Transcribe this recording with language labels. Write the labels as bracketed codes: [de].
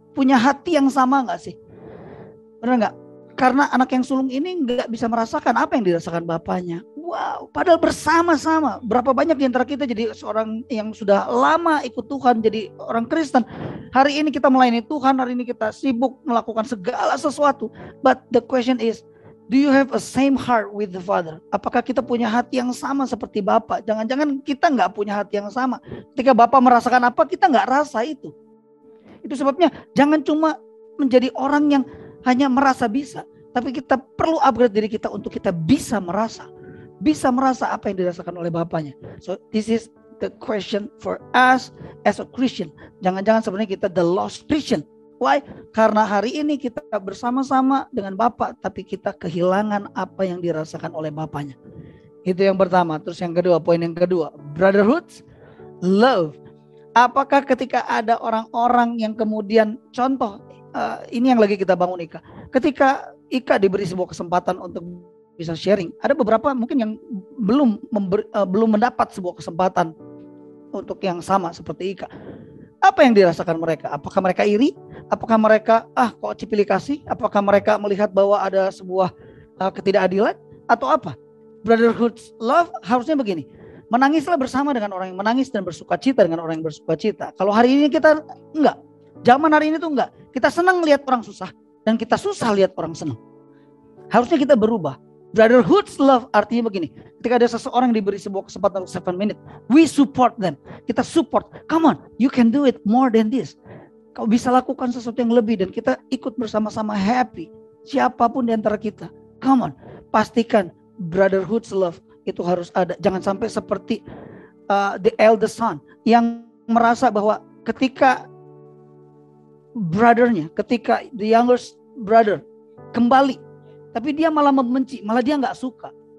[id] Punya hati yang sama gak sih? Benar gak? Karena anak yang sulung ini gak bisa merasakan apa yang dirasakan bapaknya. Wow, padahal bersama-sama. Berapa banyak di antara kita jadi seorang yang sudah lama ikut Tuhan, jadi orang Kristen. Hari ini kita melayani Tuhan, hari ini kita sibuk melakukan segala sesuatu. [en] But the question is, do you have a same heart with the Father? [id] Apakah kita punya hati yang sama seperti Bapak? Jangan-jangan kita gak punya hati yang sama. Ketika Bapak merasakan apa, kita gak rasa itu. Itu sebabnya jangan cuma menjadi orang yang hanya merasa bisa. Tapi kita perlu upgrade diri kita untuk kita bisa merasa. Bisa merasa apa yang dirasakan oleh Bapaknya. [en] So this is the question for us as a Christian. [id] Jangan-jangan sebenarnya kita [en] the lost Christian. Why? [id] Karena hari ini kita bersama-sama dengan Bapak, tapi kita kehilangan apa yang dirasakan oleh Bapaknya. Itu yang pertama. Terus yang kedua, poin yang kedua. Brotherhood, love. Apakah ketika ada orang-orang yang kemudian, contoh, ini yang lagi kita bangun Ika. Ketika Ika diberi sebuah kesempatan untuk bisa sharing, ada beberapa mungkin yang belum mendapat sebuah kesempatan untuk yang sama seperti Ika. Apa yang dirasakan mereka? Apakah mereka iri? Apakah mereka kok cipilikasi? Apakah mereka melihat bahwa ada sebuah ketidakadilan atau apa? Brotherhood love harusnya begini. Menangislah bersama dengan orang yang menangis dan bersukacita dengan orang yang bersukacita. Kalau hari ini kita enggak. Zaman hari ini tuh enggak. Kita senang lihat orang susah dan kita susah lihat orang senang. Harusnya kita berubah. Brotherhood love artinya begini. Ketika ada seseorang yang diberi sebuah kesempatan 7 menit, [en] we support them. [id] Kita support. [en] Come on, you can do it more than this. [id] Kau bisa lakukan sesuatu yang lebih dan kita ikut bersama-sama happy. Siapapun di antara kita. Come on, pastikan brotherhood love itu harus ada. Jangan sampai seperti [en] the eldest son [id] yang merasa bahwa ketika brothernya, ketika [en] the youngest brother [id] kembali, tapi dia malah membenci, malah dia gak suka.